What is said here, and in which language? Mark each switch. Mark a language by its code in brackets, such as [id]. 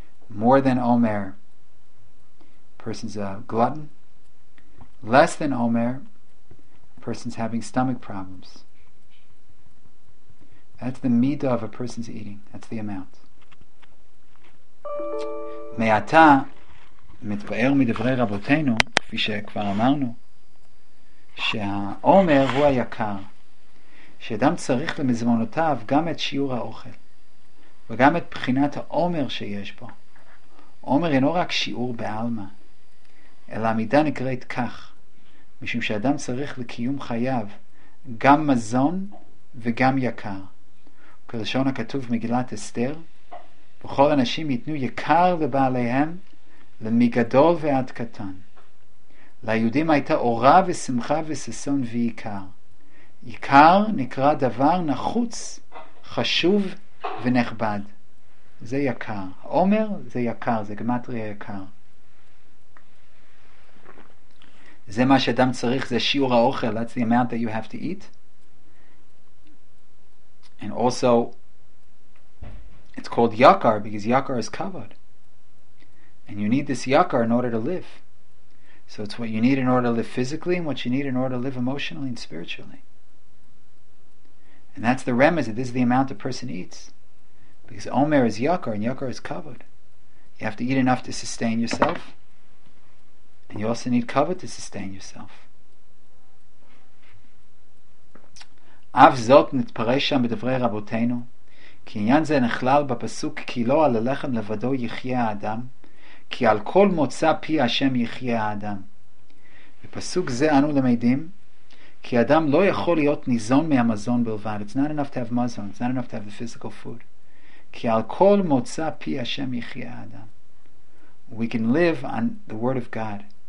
[en] More than omer, person's a glutton. Less than omer, person's having stomach problems. That's the midah of a person's eating. That's the amount. [he] Me'ata mitpa'er midevrei rabotenu, kfi shekvar amarnu, שהעומר הוא היקר, שאדם צריך למזמונותיו גם את שיעור האוכל, וגם את בחינת העומר שיש בו. עומר אינו רק שיעור באלמה, אלא המידה נקראת כך, משום שאדם צריך לקיום חייו גם מזון וגם יקר. כלשון הכתוב מגילת אסתר, בכל אנשים ייתנו יקר לבעליהם, למגדול ועד קטן. ליהודים הייתה אורה ושמחה וססון ועיקר. עיקר נקרא דבר נחוץ, חשוב ונכבד. זה יקר. עומר זה יקר, זה גמטריה יקר. זה מה שאדם צריך, זה שיעור האוכל. [en] That's the amount that you have to eat. And also, it's called yakar, because yakar is kavod. And you need this yakar in order to live. So it's what you need in order to live physically and what you need in order to live emotionally and spiritually. And that's the remez. This is the amount a person eats. Because omer is yakar and yakar is kavod. You have to eat enough to sustain yourself. And you also need kavod to sustain yourself. [he] Av zot nitparesh sham bedevrei rabotenu, ki inyan ze nechlal bapasuk ki lo al lechem levado yichye adam, כי על כל מוצא פי השם יחיה האדם. בפסוק זה אנו למדים, כי אדם לא יכול להיות ניזון מהמזון בלבד. [en] It's not enough to have muzon. It's not enough to have the physical food. [he] כי על כל מוצא פי השם יחיה האדם. [en] We can live on the word of God.